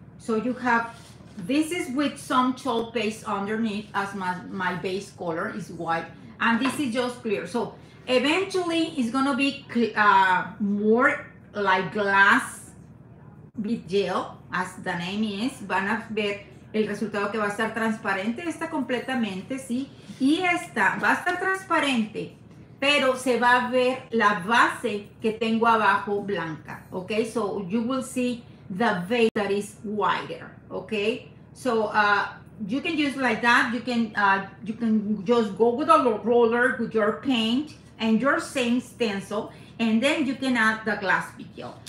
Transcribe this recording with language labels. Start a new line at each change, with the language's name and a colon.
English: So you have, this is with some chalk base underneath as my base color is white. And this is just clear. So eventually it's gonna be more like glass with gel, as the name is.
Spanish: Van a ver el resultado que va a estar transparente. Esta completamente, sí. Y esta va a estar transparente, pero se va a ver la base que tengo abajo blanca.
English: Okay, so you will see the base that is wider. Okay, so you can use like that. You can just go with a roller with your paint and your same stencil, and then you can add the glass detail.